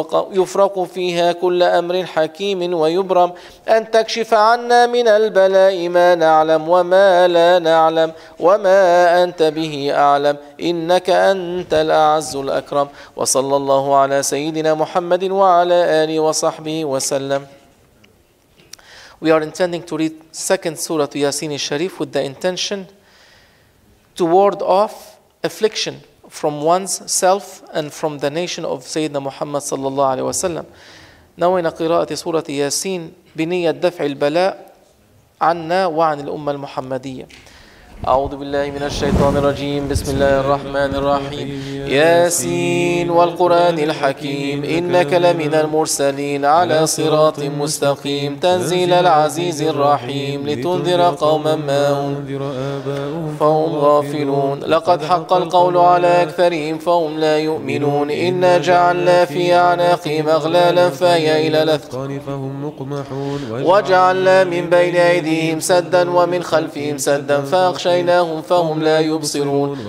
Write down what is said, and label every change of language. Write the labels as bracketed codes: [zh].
[ar] يفرق فيها كل أمر حكيم ويبرم أن تكشف عنا من البلاء ما نعلم وما لا نعلم وما أنت به أعلم إنك أنت الأعز الأكرم وصلى الله على سيدنا محمد وعلى آله وصحبه وسلم. [en] We are intending to read second surah Yasin al-Sharif with the intention to ward off affliction from one's self and from the nation of Sayyidina Muhammad sallallahu alaihi wasallam. [ar] نوينا قراءة سورة ياسين بنية دفع البلاء عنا وعن الأمة المحمدية. أعوذ بالله من الشيطان الرجيم، بسم الله الرحمن الرحيم. ياسين والقرآن الحكيم، إنك لمن المرسلين على صراط مستقيم، تنزيل العزيز الرحيم، لتنذر قوما ما أنذر آباؤهم فهم غافلون، لقد حق القول على أكثرهم فهم لا يؤمنون، إنا جعلنا في أعناقهم أغلالا فهي إلى الأذقان فهم مقمحون، وجعلنا من بين أيديهم سدا ومن خلفهم سدا فأخشى فهم لا يبصرون،